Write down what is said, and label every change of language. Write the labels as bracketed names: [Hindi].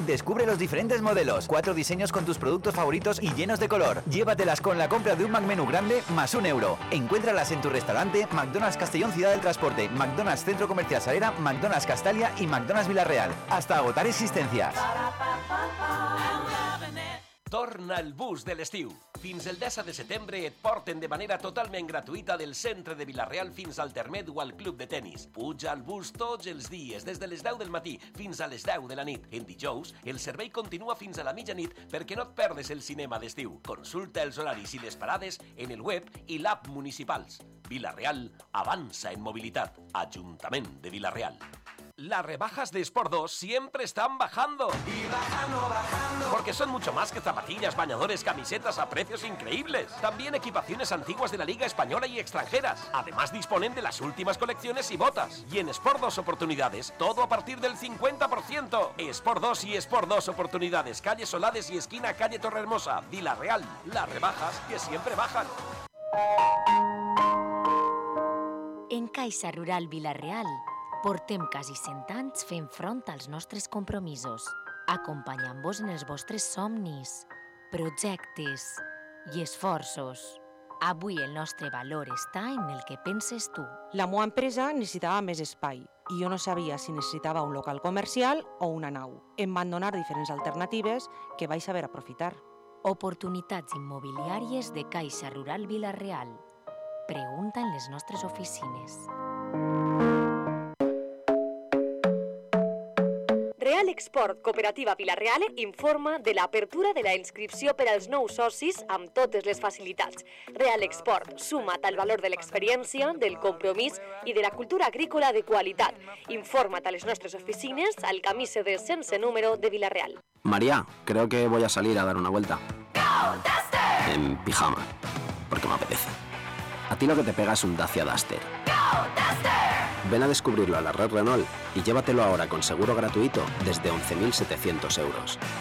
[Spanish] Descubre los diferentes modelos, 4 diseños con tus productos favoritos y llenos de color. Llévatelas con la compra de un McMenú grande más un euro. Encuéntralas en tu restaurante McDonald's Castellón Ciudad del Transporte, McDonald's Centro Comercial Salera, McDonald's Castalia y McDonald's Villarreal. Hasta agotar existencias. [Catalan] Torna el bus de l'estiu. Fins el 10 de setembre et porten de manera totalment gratuïta del centre de Vila-real fins al Termet o al club de tennis. Puja al bus tots els dies, des de les 10 del matí fins a les 10 de la nit. En dijous, el servei continua fins a la mitjanit perquè no et perdes el cinema d'estiu. Consulta els horaris i les parades en el web i l'app municipals. Vila-real avança en mobilitat. Ajuntament de Vila-real. [Spanish] Las rebajas de Sport 2 siempre están bajando. Y bajando, bajando. Porque son mucho más que zapatillas, bañadores, camisetas a precios increíbles. También equipaciones antiguas de la Liga Española y extranjeras. Además disponen de las últimas colecciones y botas. Y en Sport 2 Oportunidades, todo a partir del 50%. Sport 2 y Sport 2 Oportunidades, calle Solades y esquina calle Torrehermosa, Vila-real. Las rebajas que siempre bajan. [Catalan] En Caixa Rural Vila-real. Portem quasi 100 anys fent front als nostres compromisos, acompanyant-vos en els vostres somnis, projectes i esforços. Avui el nostre valor està en el que penses tu. La meva empresa necessitava més espai i jo no sabia si necessitava un local comercial o una nau. Em van donar diferents alternatives que vaig saber aprofitar. Oportunitats immobiliàries de Caixa Rural Vila-real. Pregunta en les nostres oficines. Real Export Cooperativa Vila-real informa de l'apertura de la inscripció per als nous socis amb totes les facilitats. Real Export suma el valor de l'experiència, del compromís i de la cultura agrícola de qualitat. Informa't a les nostres oficines al camí CD sense número de Vila-real. [Spanish] María, creo que voy a salir a dar una vuelta. En pijama, porque me apetece. A ti lo que te pega es un Dacia Duster. Ven a descubrirlo a la red Renault y llévatelo ahora con seguro gratuito desde 11.700 euros.